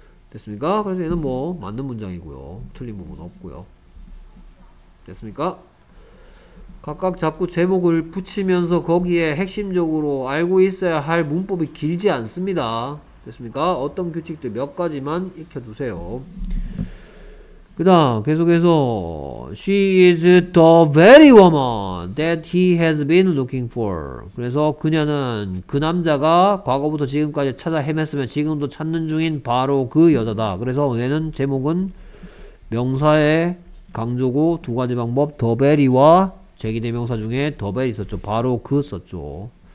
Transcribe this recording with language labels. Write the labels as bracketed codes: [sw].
[ko] 됐습니까? 그래서 얘는 뭐 맞는 문장이고요. 틀린 부분 없고요. 됐습니까? 각각 자꾸 제목을 붙이면서 거기에 핵심적으로 알고 있어야 할 문법이 길지 않습니다. 됐습니까? 어떤 규칙들 몇 가지만 익혀두세요. [en] 그다음 계속해서 she is the very woman that he has been looking for. [ko] 그래서 그녀는 그 남자가 과거부터 지금까지 찾아 헤맸으면 지금도 찾는 중인 바로 그 여자다. 그래서 얘는 제목은 명사의 강조고 두 가지 방법 the very와 제기대명사 중에 the very 있었죠. 바로 그 썼죠.